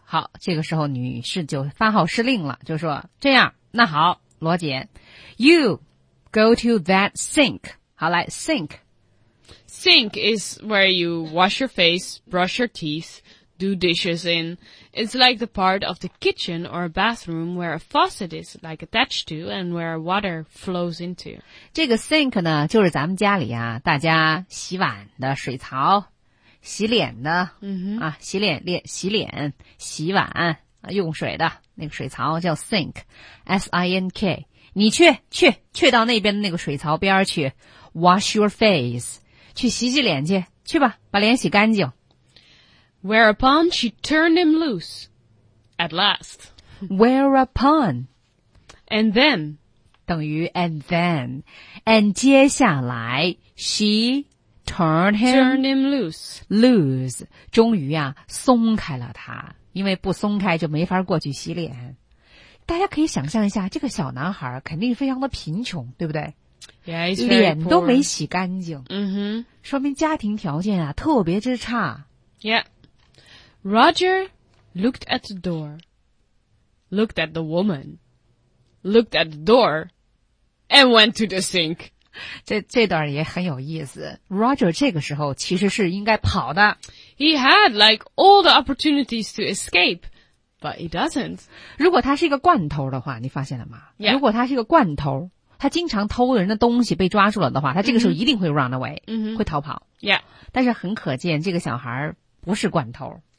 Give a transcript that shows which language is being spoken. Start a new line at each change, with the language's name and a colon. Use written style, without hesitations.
Chinese: 好，这个时候女士就发号施令了，就说，这样，那好，罗杰 ,
English: you go to that sink.
Chinese: 好，来 ,sink.
English: Sink is where you wash your face, brush your teeth, do dishes in. It's like the part of the kitchen or a bathroom where a faucet is like attached to and where water flows into.
Chinese: 这个 sink 呢就是咱们家里啊大家洗碗的水槽洗脸的、 mm-hmm. 啊洗脸洗碗、啊、用水的那个水槽叫 sink,S-I-N-K, 你去去去到那边的那个水槽边去
English: wash your face,
Chinese: 去洗洗脸去去吧把脸洗干净。
English: Whereupon she turned him loose. At last. Whereupon. And then. 等于 and then. And 接下来 she turned him, turned him loose.
Chinese: Loose. 终于啊松开了他。因为不松开就没法过去洗脸。大家可以想象一下这个小男孩肯定非常的贫穷对不对
English: yeah, he's very poor.
Chinese: 脸都没洗干净。 Mm-hmm. 说明家庭条件啊特别之差。
English: Yeah. Roger looked at the door, looked at the woman, looked at the door, and went to the sink.
Chinese: 这段也很有意思。Roger 这个时候其实是应该跑的。
English: He had like all the opportunities to escape, but he doesn't.
Chinese: 如果他是一个惯偷的话，你发现了吗？
English: Yeah.
Chinese: 如果他是一个惯偷，他经常偷人的东西被抓住了的话，他这个时候一定会
English: run away,、 mm-hmm.
Chinese: 会逃跑。
English: Yeah.
Chinese: 但是很可见，这个小孩不是惯偷。